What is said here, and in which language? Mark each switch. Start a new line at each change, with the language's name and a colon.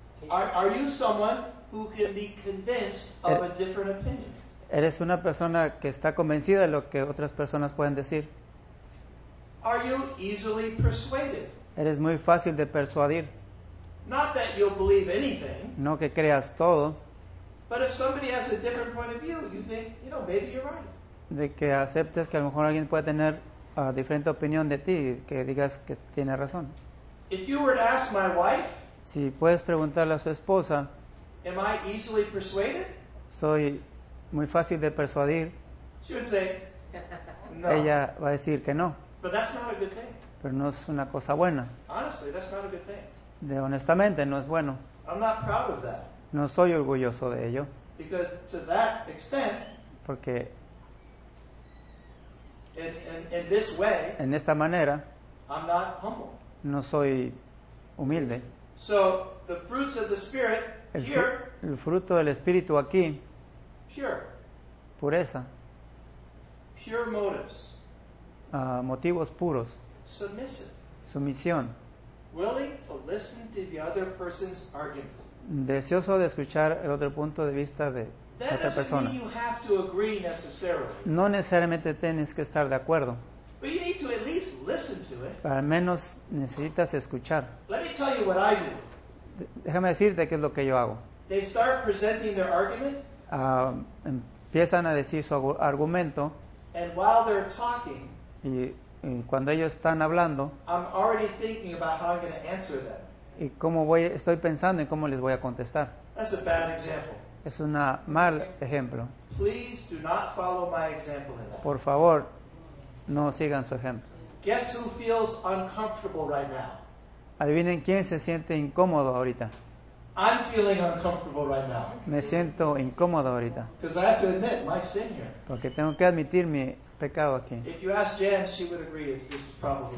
English: are you someone who can be convinced of a different opinion?
Spanish: ¿Eres una persona que está convencida de lo que otras personas pueden decir?
English: Are you easily persuaded?
Spanish: ¿Eres muy fácil de persuadir?
English: Not that you'll believe anything.
Spanish: No que creas todo.
English: But if somebody has a different point of view, you think, you know, maybe you're right.
Spanish: De que aceptes que a lo mejor alguien puede tener a diferente opinión de ti, que digas que tiene razón.
English: If you were to ask my wife,
Spanish: Si puedes preguntarle a su esposa.
English: Am I easily persuaded?
Spanish: Soy muy fácil de persuadir.
English: She would say, no.
Spanish: Ella va a decir que no.
English: But that's not a good thing.
Spanish: Pero no es una cosa buena.
English: Honestly, that's not a good thing.
Spanish: De honestamente, no es bueno.
English: I'm not proud of that.
Spanish: No soy orgulloso de ello.
English: Because to that extent,
Spanish: porque
English: in this way,
Spanish: en esta manera,
English: I'm not humble.
Spanish: No soy humilde.
English: So the fruits of the Spirit here,
Spanish: el fruto del Espíritu aquí,
English: pure,
Spanish: pureza,
English: pure motives,
Spanish: motivos puros,
English: submissive,
Spanish: sumisión,
English: willing to listen to the other person's argument,
Spanish: deseoso de escuchar el otro punto de vista de
English: that
Spanish: otra persona.
English: Mean you have to agree necessarily.
Spanish: No necesariamente tienes que estar de acuerdo.
English: But you need to at least listen to it.
Spanish: Pero al menos necesitas escuchar.
English: Let me tell you what I do.
Spanish: Déjame decirte qué es lo que yo hago.
English: They start presenting their argument.
Spanish: Empiezan a decir su argumento.
English: And while they're talking,
Spanish: y cuando ellos están hablando,
English: I'm already thinking about how I'm going to answer that.
Spanish: Y cómo voy, estoy pensando en cómo les voy a contestar.
English: That's a bad example.
Spanish: Es un mal ejemplo.
English: Please do not follow my example in that.
Spanish: Por favor, no sigan su ejemplo.
English: Guess who feels uncomfortable right now?
Spanish: Adivinen quién se siente incómodo ahorita.
English: I'm feeling uncomfortable right now.
Spanish: Me siento incómodo ahorita.
English: Because I have to admit my sin here.
Spanish: Porque tengo que admitir mi pecado aquí.
English: If you ask Jen, she would agree this is probably.